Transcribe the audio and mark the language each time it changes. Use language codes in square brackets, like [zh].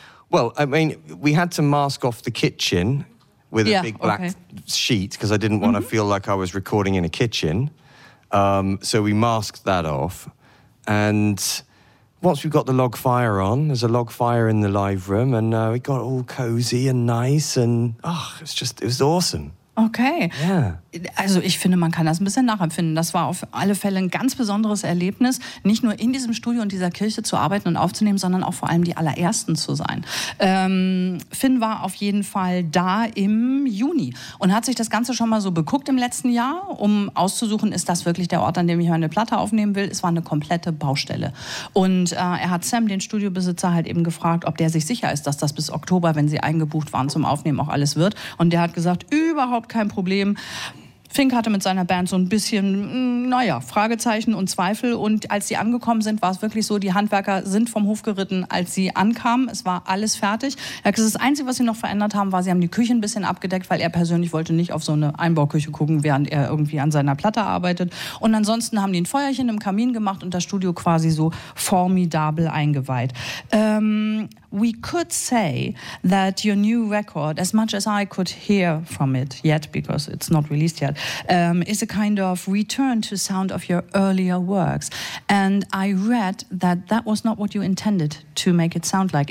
[en] Well, I mean, we had to mask off the kitchen with a big black sheet because I didn't want to feel like I was recording in a kitchen. So we masked that off. And once we've got the log fire on, there's a log fire in the live room, and it got all cozy and nice, and it was awesome. Okay. Yeah. [de] Also ich finde, man kann das ein bisschen nachempfinden. Das war auf alle Fälle ein ganz besonderes Erlebnis, nicht nur in diesem Studio und dieser Kirche zu arbeiten und aufzunehmen, sondern auch vor allem die allerersten zu sein. Finn war auf jeden Fall da im Juni und hat sich das Ganze schon mal so beguckt im letzten Jahr, um auszusuchen, ist das wirklich der Ort, an dem ich meine Platte aufnehmen will. Es war eine komplette Baustelle. Und er hat Sam, den Studiobesitzer, halt eben gefragt, ob der sich sicher ist, dass das bis Oktober, wenn sie eingebucht waren zum Aufnehmen, auch alles wird. Und der hat gesagt, überhaupt kein Problem. Fink hatte mit seiner Band so ein bisschen, Fragezeichen und Zweifel. Und als sie angekommen sind, war es wirklich so, die Handwerker sind vom Hof geritten, als sie ankamen. Es war alles fertig. Das Einzige, was sie noch verändert haben, war, sie haben die Küche ein bisschen abgedeckt, weil er persönlich wollte nicht auf so eine Einbauküche gucken, während er irgendwie an seiner Platte arbeitet. Und ansonsten haben die ein Feuerchen im Kamin gemacht und das Studio quasi so formidabel eingeweiht. [en] We could say that your new record, as much as I could hear from it yet, because it's not released yet, is a kind of return to sound of your earlier works. And I read that that was not what you intended to make it sound like.